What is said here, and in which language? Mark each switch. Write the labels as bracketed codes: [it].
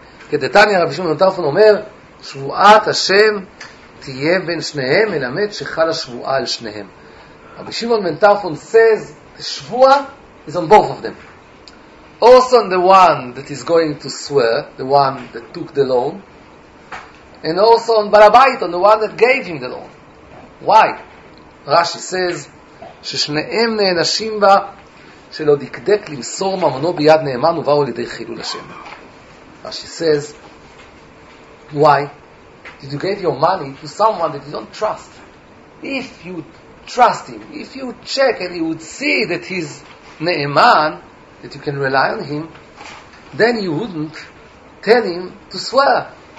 [he] כדתניא רבי שמעון בן טרפון אומר, שבועת השם תהיה בין שניהם, מלמד שחלה שבועה על שניהם. [en] רבי שמעון בן טרפון says, שבועה is on both of them. Also on the one that is going to swear, the one that took the loan, and also on Balabait, on the one that gave him the loan. Why? [he] Rashi says, ששניהם נענשים בה, שלא דקדק למסור ממונו ביד נאמן ובאו לידי חילול השם. [en] She says, why did you give your money to someone that you don't trust? If you trust him, if you check and you would see that he's Ne'eman, that you can rely on him, then you wouldn't tell him to swear.